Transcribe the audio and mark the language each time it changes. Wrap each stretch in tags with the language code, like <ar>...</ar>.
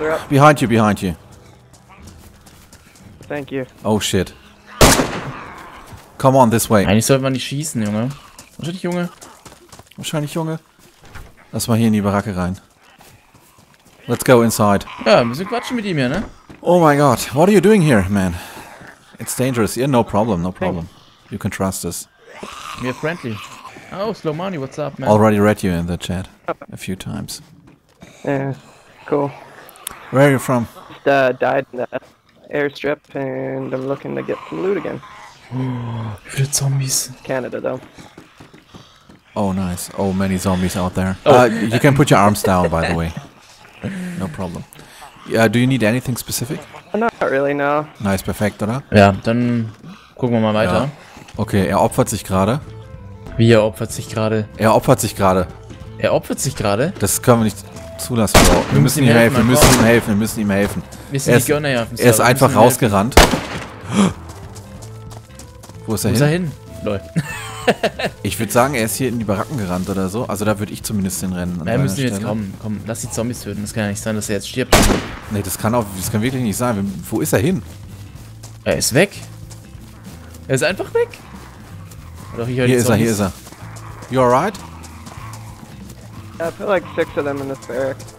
<en>Behind you. Thank you. Oh, shit. Come on, this way.</en> <de>Eigentlich sollte man nicht schießen, Junge. Wahrscheinlich, Junge. Lass mal hier in die Baracke rein.</de> <en>Let's go inside.</en> <de>Ja, ein bisschen quatschen mit ihm hier, ne?</de> <en>Oh my god, what are you doing here, man? It's dangerous. Yeah, no problem. Thanks. You can trust us. We are friendly. Oh, slow money, what's up, man? Already read you in the chat a few times. Yeah, cool. Where are you from? Just died in the airstrip and I'm looking to get some loot again.</en> <de>Oh, viele Zombies.</de> <en>Canada, though. Oh, nice. Oh, many zombies out there. Oh. You can put your arms down, by the way. No problem. Do you need anything specific? Not really, no.</en> <de>Nice, perfekt, oder? Ja, dann gucken wir mal weiter. Ja. Okay, er opfert sich gerade. Wie, er opfert sich gerade? Er opfert sich gerade? Das können wir nicht zulassen, Bro. Wir müssen ihm helfen. Er ist einfach rausgerannt. Wo ist er hin? Lol. Ich würde sagen, er ist hier in die Baracken gerannt oder so. Also da würde ich zumindest hinrennen. Wir müssen jetzt kommen. Komm, lass die Zombies töten. Das kann ja nicht sein, dass er jetzt stirbt. Nee, das kann wirklich nicht sein. Wo ist er hin? Er ist weg. Er ist einfach weg. Doch, ich höre die Zombies. Hier ist er.</de> <en>You alright? Yeah, I feel like six of them in this barrack.</en>